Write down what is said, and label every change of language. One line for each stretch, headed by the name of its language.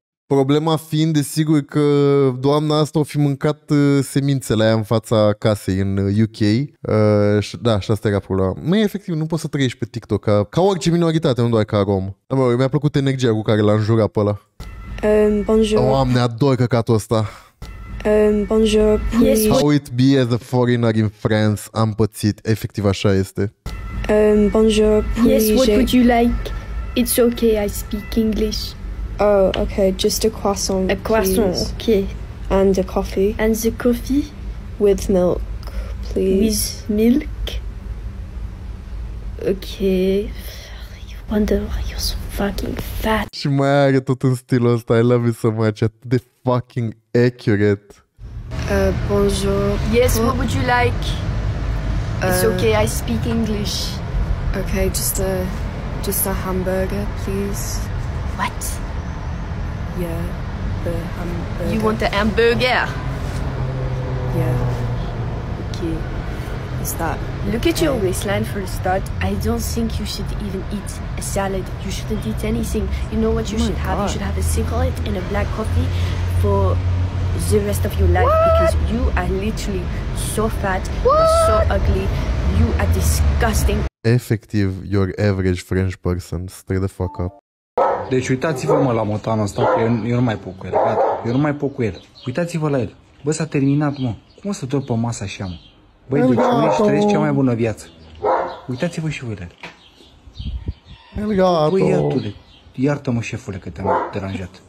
Romanian: Problema fiind, desigur, că doamna asta o fi mâncat semințele aia în fața casei în UK. Da, și asta era problema. Măi, efectiv, nu poți să trăiești pe TikTok ca orice minoritate, nu doar ca rom. Mă rog, mi-a plăcut energia cu care l-a înjurat pe ăla.
French: Bonjour.
Romanian: Doamne, ador căcatul ăsta.
English: Bonjour, please. How it be as a foreigner in France,
Romanian: am pățit. Efectiv, așa este.
English: Bonjour, please. Yes, what would you like? It's okay, I speak English. Oh, okay, just a croissant, A croissant, please. Okay. And a coffee. And the coffee? With milk, please. With milk? Okay. I wonder why you're so fucking fat.
Romanian: Și mai are tot în stilul ăsta.
English: I love you so much.
Romanian: Atât de
English: fucking accurate.
French: Bonjour.
English: Yes, what would you like? It's okay, I speak English. Okay, just a hamburger, please. What? Yeah, the hamburger. You want the hamburger? Yeah. Okay. Is that... Look at your waistline for a start. I don't think you should even eat a salad. You shouldn't eat anything. You know what you should have? You should have a cigarette and a black coffee for the rest of your life. What? Because you are literally so fat, so ugly. You are disgusting. Effective, your average French person. Stay the fuck up.
Romanian: Deci uitați-vă, mă, la motanul ăsta, că eu nu mai pot cu el, gata, eu nu mai pot cu el. Uitați-vă la el. Bă, s-a terminat, mă. Cum o să dor pe masă așa, mă? Băi, deci nu ești trăiesc cea mai bună viață. Uitați-vă și voi la el. Elgato. Băi, iartule, iartă-mă, șefule, că te-am deranjat.